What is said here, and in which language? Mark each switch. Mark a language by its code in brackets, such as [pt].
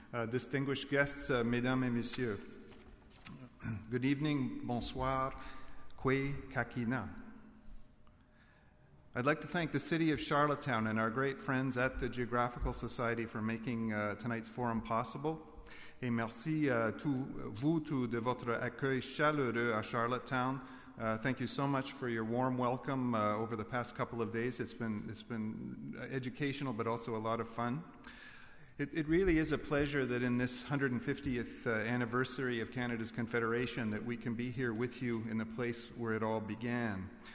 [en] Distinguished guests, [fr] mesdames et messieurs, [en] good evening, bonsoir, kwe kakina. I'd like to thank the City of Charlottetown and our great friends at the Geographical Society for making tonight's forum possible. [fr] Et merci à vous tous de votre accueil chaleureux à Charlottetown. [en] Thank you so much for your warm welcome over the past couple of days. It's been educational, but also a lot of fun. It really is a pleasure that in this 150th anniversary of Canada's Confederation that we can be here with you in the place where it all began.